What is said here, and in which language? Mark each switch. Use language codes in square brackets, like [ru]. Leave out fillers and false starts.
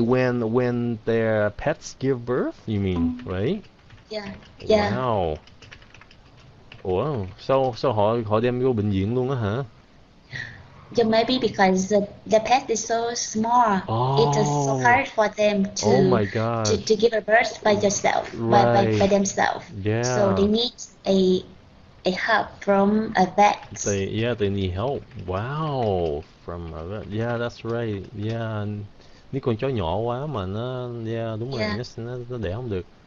[en] When their pets give birth, you mean, right? Yeah. Wow. Wow. [vi] So họ đem vô bệnh viện luôn á, hả? [en] Yeah, maybe because the pet is so small. Oh. It is so hard for them to give a birth by yourself, right. by themselves. Yeah. So they need a help from a vet. They need help. Wow, from a vet. Yeah, that's right. [vi] Yeah, những con chó nhỏ quá mà nó, nó đẻ không được.